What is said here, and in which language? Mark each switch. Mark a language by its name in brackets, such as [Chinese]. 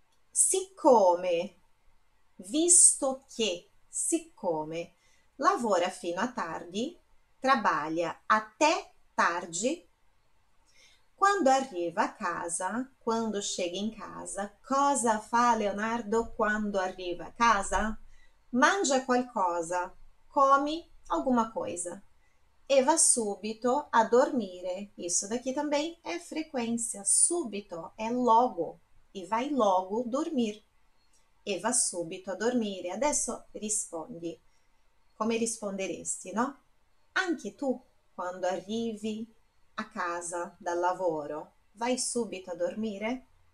[Italian] Siccome, visto che, siccome, lavora fino a tardi, [Portuguese] trabalha até tardi, [Italian] quando arriva a casa, [Portuguese] quando chega in casa, [Italian] cosa fa Leonardo quando arriva a casa? Mangia qualcosa, [Portuguese] come alguma coisa [Italian] e va subito a dormire. [Portuguese] Isso daqui também è frequência. Subito è logo e vai logo dormir. [Italian] E va subito a dormire. Adesso rispondi. Come risponderesti, no? Anche tu quando arrivi a casa dal lavoro, vai subito a dormire?